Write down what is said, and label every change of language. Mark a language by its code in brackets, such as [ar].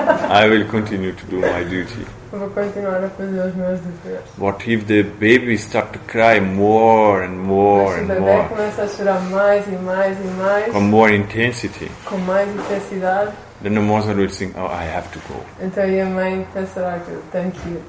[en] I will continue to do my duty. [pt] Vou continuar a fazer os meus deveres. [en] What if the baby start to cry more and more and more? [pt] Mas o bebê começa a chorar mais e mais e mais. [en] Com more intensity. [pt] Com mais intensidade. [en] Then the mother will think, I have to go. [pt] Então a mãe pensará que eu tenho que ir.